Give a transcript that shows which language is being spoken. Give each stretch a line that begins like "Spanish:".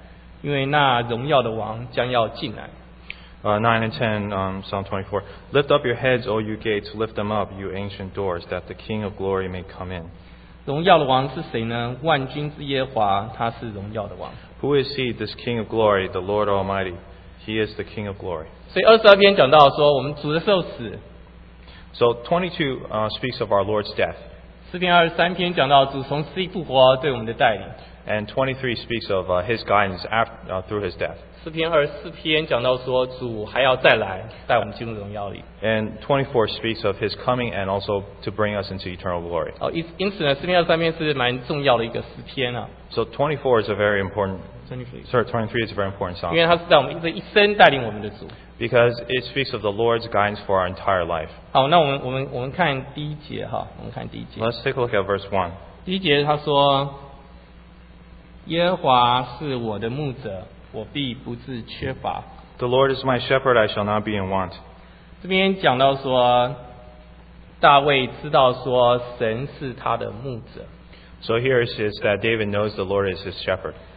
Chinese: 诗篇24篇的最后两节，这边讲到，他说：“众臣们啊，你们要抬起头来，永久的门户，你们要把头抬起来，因为那荣耀的王将要进来。”
English: 9 and 10, Psalm 24. Lift up your heads, O you gates, lift them up, you ancient doors, that the King of glory may come in.
Chinese: 荣耀的王是谁呢? 万军之耶和华，他是荣耀的王。
English: Who is he, this King of glory, the Lord Almighty? He is the King of glory.
Chinese: 所以22篇讲到说我们主的受死。
English: So 22 speaks of our Lord's death.
Chinese: 诗篇23篇讲到主从死里复活对我们的带领。
English: And 23 speaks of his guidance after, through his death.
Chinese: 诗篇24篇讲到说主还要再来带我们进入荣耀里。
English: And 24 speaks of his coming and also to bring us into eternal glory.
Chinese: 因此呢，诗篇23篇是蛮重要的一个诗篇啊。
English: So 24 is a very important. 23 is a very important song.
Chinese: 因为它是在我们这一生带领我们的主。
English: Because it speaks of the Lord's guidance for our entire life.
Chinese: 好，那我们看第一节哈，我们看第一节。
English: Let's take a look at verse 1.
Chinese: 第一节他说。耶和华是我的牧者，我必不致缺乏。
English: The Lord is my shepherd; I shall not be in want.
Chinese: 这边讲到说，大卫知道说神是他的牧者。
English: So here it says that David knows the Lord is his shepherd.